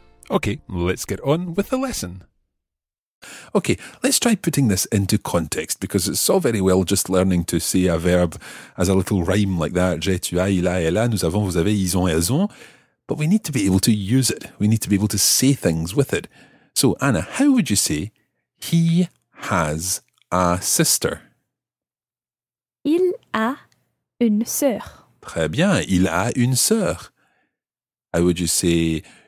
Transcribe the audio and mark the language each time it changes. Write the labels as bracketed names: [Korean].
[English] Okay, let's get on with the lesson. Okay, let's try putting this into context because it's so very well just learning to say a verb as a little rhyme like that. [French] J'ai, tu as, il a, elle a, nous avons, vous avez, ils ont, elles ont. [English] But we need to be able to use it. We need to be able to say things with it. So, Anna, how would you say he has a sister? [French] Il a une sœur. Très bien, il a une sœur. [English] How would you say...